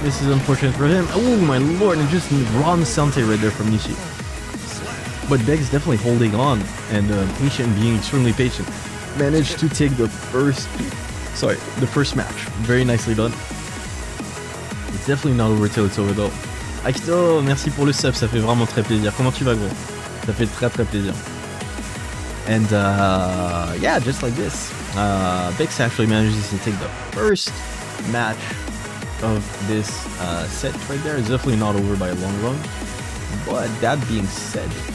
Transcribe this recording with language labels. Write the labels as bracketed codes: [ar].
[en] This is unfortunate for him. Oh my lord, and just raw Sante right there from Nishi. But Bex definitely holding on, and patient, being extremely patient, managed to take the first match. Very nicely done. It's definitely not over till it's over, though. [fr] Akito, merci pour le sub, ça fait vraiment très plaisir. Comment tu vas, gros? Ça fait très très plaisir. [en] And yeah, just like this, Bex actually manages to take the first match of this set right there. It's definitely not over by a long run. But that being said,